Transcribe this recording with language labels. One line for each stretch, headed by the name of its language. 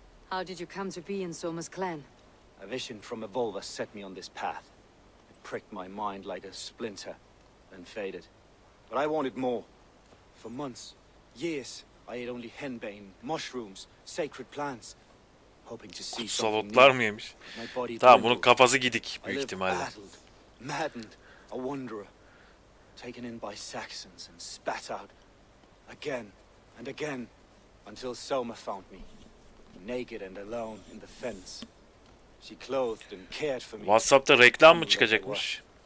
English: How did you come to be in Soma's clan? A vision from Evolva set me on this path. It pricked my mind like a splinter, then faded. But I wanted more. For months, years, I ate only henbane, mushrooms, sacred plants.
Turkish: Kutsal otlar mıymış? Tamam, bunun kafası gidik büyük ihtimalle.
English: Maddened, a wanderer, taken in by Saxons and spat out again and again until Soma found me, naked and alone in the fence. She clothed and cared for me.
Turkish: WhatsApp'ta reklam mı çıkacakmış?